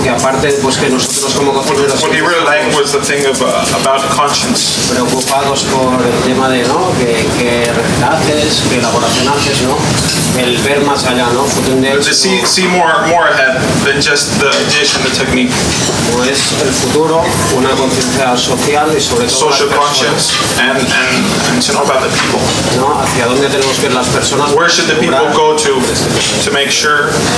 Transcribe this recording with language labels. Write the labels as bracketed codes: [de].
[es] Que aparte, pues que nosotros como cocineros preocupados por el tema de, ¿no? Que haces, que elaboración haces, ¿no? El ver más allá, ¿no? [en] See more ahead than just the dish and the technique. [es] Pues el futuro, una conciencia social y sobre todo [en] social conscience and to know about the people. [es] ¿No? Hacia dónde tenemos que ir las personas. [en] Where should the people go to make sure